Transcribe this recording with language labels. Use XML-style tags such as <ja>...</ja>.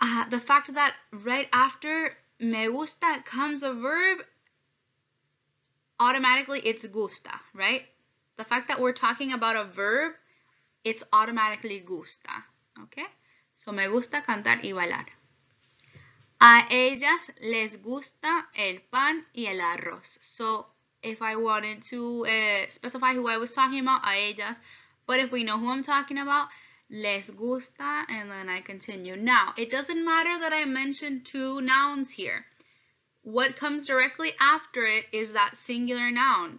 <en>The fact that right after me gusta comes a verb, automatically it's gusta, right? The fact that we're talking about a verb, it's automatically gusta, okay?</en> <es>So me gusta cantar y bailar. A ellas les gusta el pan y el arroz.</es> <en>So if I wanted to specify who I was talking about,</en> <es>a ellas,</es> <en>but if we know who I'm talking about,</en> <es>les gusta,</es> <en>and then I continue. Now, it doesn't matter that I mentioned two nouns here. What comes directly after it is that singular noun.</en>